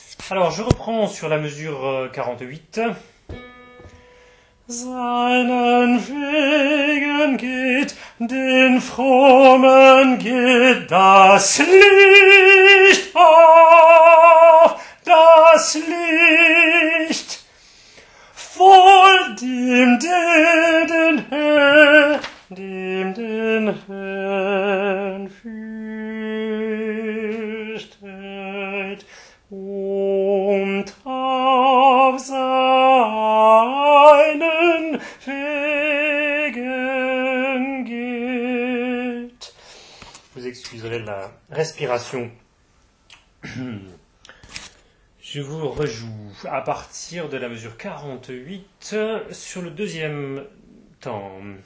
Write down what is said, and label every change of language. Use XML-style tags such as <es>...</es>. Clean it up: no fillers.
<fr>Alors, je reprends sur la mesure 48.</fr> <de>Seinen Wegen geht, den Frommen geht das Licht auf, das Licht. Voll dem den Herrn fürchtet und auf seinen Wegen geht.</de> <fr>Vous excuserez la respiration. Je vous rejoue à partir de la mesure 48 sur le deuxième temps.</fr>